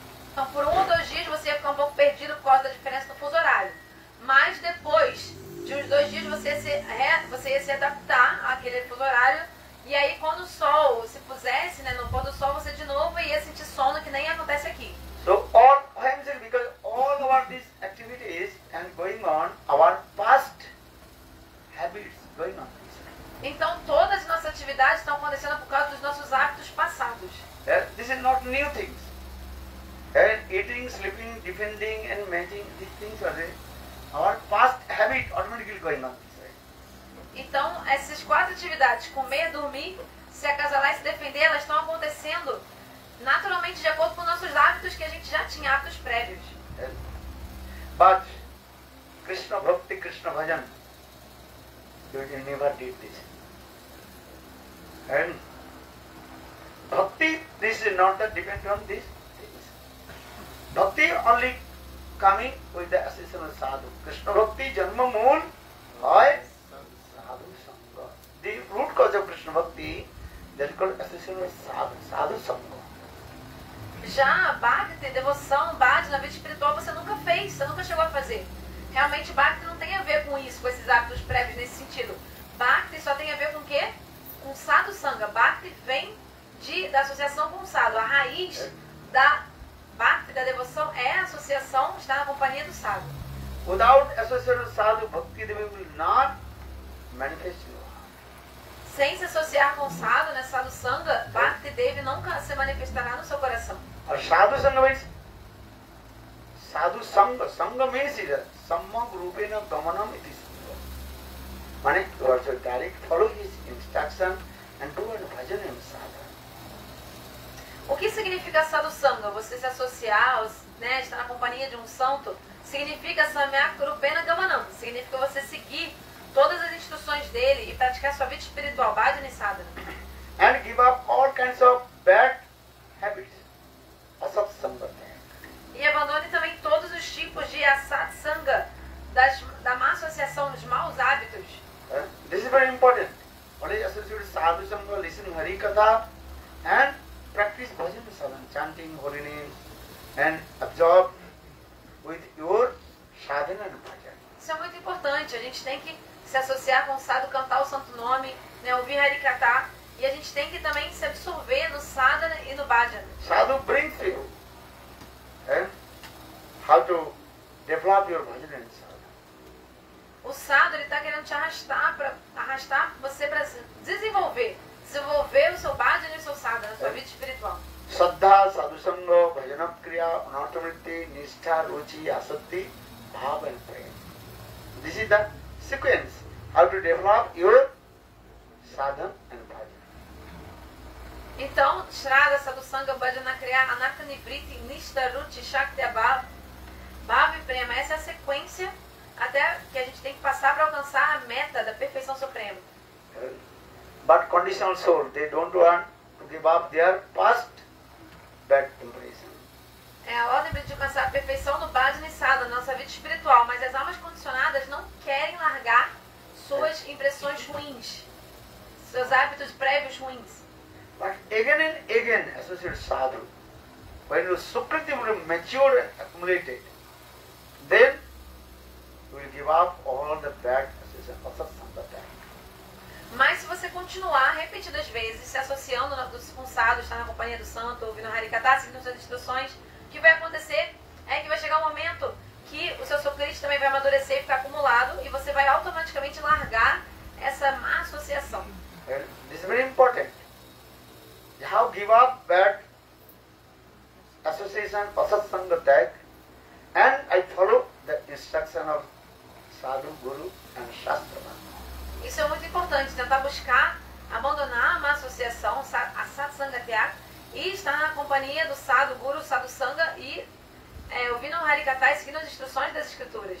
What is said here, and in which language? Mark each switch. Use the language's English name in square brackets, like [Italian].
[Portuguese] então, por um ou dois dias você ia ficar um pouco perdido por causa da diferença do fuso horário. Mas depois de uns dois dias você ia se adaptar àquele fuso horário. E aí quando o sol se pusesse, né, no pôr do sol, você de novo ia sentir sono, que nem acontece aqui. [English] So, all hence, because all of these activities and going on, our past habits going on. [Portuguese] Então, todas as nossas atividades estão acontecendo por causa dos nossos hábitos passados. [English] This is not new things. And eating, sleeping, defending and mating, these things are our past habit automatically going on. [Portuguese] Então, essas quatro atividades, comer, dormir, se acasalar e se defender, elas estão acontecendo naturalmente de acordo com nossos hábitos que a gente já tinha, hábitos prévios. [English] But Krishna Bhakti, Krishna Bhajan, you never did this. And Bhakti, this is not that depend on this. Bhakti only coming with the assistance of sadhu. Krishna Bhakti, Janma Mool, why? Sadhu Sangha. The root cause of Krishna Bhakti, that is called assistance of sadhu, sadhu Sangha. [Portuguese] Já Bhakti, devoção, Bhakti, na vida espiritual, você nunca fez, você nunca chegou a fazer. Realmente Bhakti não tem a ver com isso, com esses hábitos prévios nesse sentido. Bhakti só tem a ver com o quê? Com sadhu Sangha. Bhakti vem da associação com sadhu, a raiz da parte da devoção é a associação, está na companhia do sábio. [English] Without [Portuguese] associação do sábio, [English] Bhakti Devi will not manifest you. [Portuguese] Sem se associar com o sábio, né, sábio Sangha, Bhakti Devi nunca se manifestará no seu coração. [English] A sábio Sangha means sábio Sangha. Sangha means it is [Sanskrit] sammag rupena gamanam iti sangha. [English] Mane, you are so direct, follow his instruction and do and bhajan him sadhu. [Portuguese] O que significa sadhu sangha? Você se associar, né, estar na companhia de um santo, significa [Sanskrit] samyak rupena gamanam. [Portuguese] Significa você seguir todas as instruções dele e praticar sua vida espiritual, bhajani sadhana. [English] And give up all kinds of bad habits. Asat sangha. [Portuguese] E abandone também todos os tipos de asat sangha, da má associação, dos maus hábitos. [English] message. This is very important. What is associated with sadhu sangha? Listen Hari Katha and practice bhajan sadhana, chanting holy names and absorb with your sadhana and bhajan. [Portuguese] Isso é muito importante. A gente tem que se associar com o sadhu, cantar o santo nome, né, ouvir Hari Katha, e a gente tem que também se absorver no sadhana e no bhajan. [English] Sadhu brings you. How to develop your bhajan and sadhana. [Portuguese] O sadhu está querendo te arrastar para arrastar você para desenvolver o seu bhajan e o seu sadhana, a sua vida espiritual. [Sanskrit] Saddha, sadhu sangha, bhajana kriya, anatamriti, nishtha, ruchi, asatti, bhava and prema. [English] This is the sequence. How to develop your sadhana and bhajan. [Portuguese] Então, shraddha, sadhu sangha, bhajana kriya, anatamriti, nishtha, ruchi, shakti, bhava. Bhava e prema, essa é a sequência até que a gente tem que passar para alcançar a meta da perfeição suprema. [English] But conditional soul, they don't want to give up their past bad impression. [Portuguese] É a ordem de alcançar a perfeição no bhajan e sadhana, nossa vida espiritual, mas as almas condicionadas não querem largar suas impressões ruins, seus hábitos prévios ruins. [English] But again and again, associated sadhu, when you supremely mature and accumulated, then you will give up all the bad associations of sadhana. [Portuguese] Mas se você continuar repetidas vezes se associando com o sadhu, estar na companhia do santo, ouvindo Hari Katha, seguindo suas instruções, o que vai acontecer é que vai chegar um momento que o seu sukriti também vai amadurecer e ficar acumulado e você vai automaticamente largar essa má associação. [English] And this is very important. How give up bad association of sadhana and I follow the instruction of sadhu, guru and shastra. [Portuguese] Isso é muito importante, tentar buscar abandonar a má associação, a satsanga teá, e estar na companhia do sadhu, guru, sadhu sanga e ouvindo o Hari Katha e seguindo as instruções das escrituras.